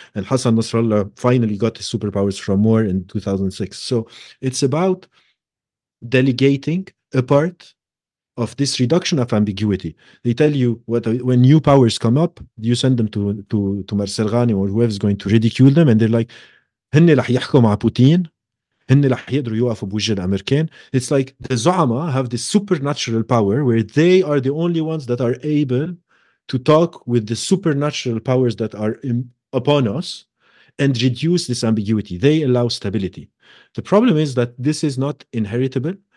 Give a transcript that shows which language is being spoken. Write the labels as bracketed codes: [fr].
[en] And Hassan Nasrallah finally got his superpowers from war in 2006. So it's about delegating a part of this reduction of ambiguity. They tell you when new powers come up, you send them to Marcel Ghani or whoever's going to ridicule them. And they're like, [ar] هن لح يحكوا مع بوتين. [en] It's like the Zu'ama have this supernatural power where they are the only ones that are able to talk with the supernatural powers that are upon us and reduce this ambiguity. They allow stability. The problem is that this is not inheritable.